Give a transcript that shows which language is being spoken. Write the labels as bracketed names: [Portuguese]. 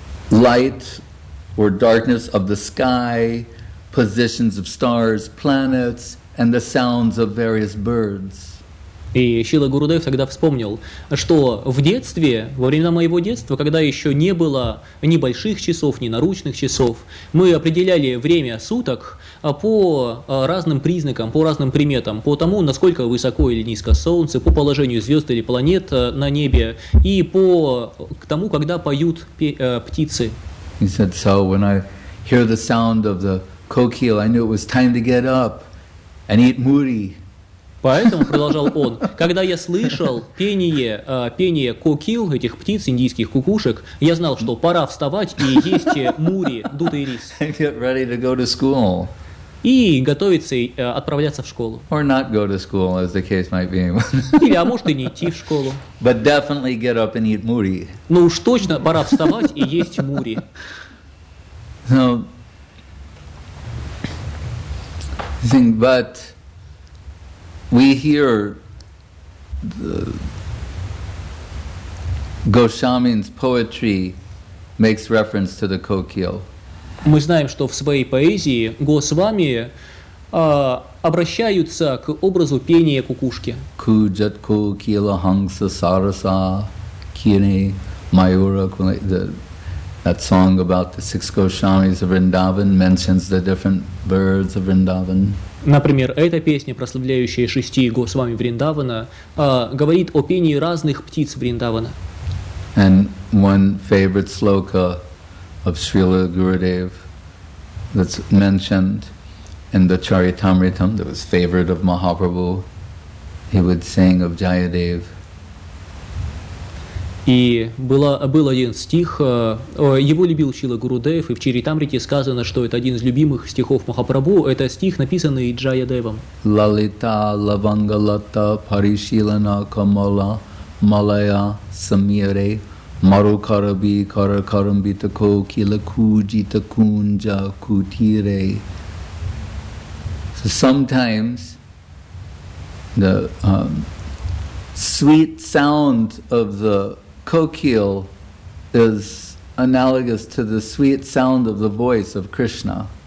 [English] light or darkness of the sky, positions of stars, planets, and the sounds of various birds." [Russian] И Шрила Гурудев тогда вспомнил, что в детстве, во времена моего детства, когда еще не было ни больших часов, ни наручных часов, мы определяли время суток по разным признакам, по разным приметам, по тому, насколько высоко или низко солнце, по положению звезд или планет на небе, и по тому, когда поют птицы. [English] He said, "So when I hear the sound of the kokil, I knew it was time to get up and eat muri." [Russian] Поэтому, продолжал он, когда я слышал пение кокил, этих птиц, индийских кукушек, я знал, что пора вставать и есть мури, дутый рис. [English] Get ready to go to school. [Russian] И готовиться отправляться в школу. [English] Or not go to school, as the case might be. [Russian] Или, а может, и не идти в школу. [English] But definitely get up and eat muri. [Russian] Но уж точно пора вставать и есть мури. [English] So, I think, but we hear the Goswami's poetry makes reference to the kokil. [Russian] Мы знаем, что в своей поэзии Госвами обращаются к образу пения кукушки. [Sanskrit] Kujat kokila hangsa sarasa kine mayura. [English] That song about the six Goswamis of Vrindavan mentions the different birds of Vrindavan. [Russian] Например, эта песня, прославляющая шести госвами Вриндавана, говорит о пении разных птиц Вриндавана. [English] And one favorite sloka of Srila Gurudev that's mentioned in the Charitamritam, that was favorite of Mahaprabhu, he would sing of Jayadev. [Russian] И был один стих, его любил Шрила Гурудев, и в Чаритамрите сказано, что это один из любимых стихов Махапрабху, это стих, написанный Джаядевом. [Sanskrit] Лалита лавангалата паришилана камала малая самире марукараби каракарамбита кокила куджита кунджа кутире. [English] So sometimes the sweet sound of the kokil is analogous to the sweet sound of the voice of Krishna.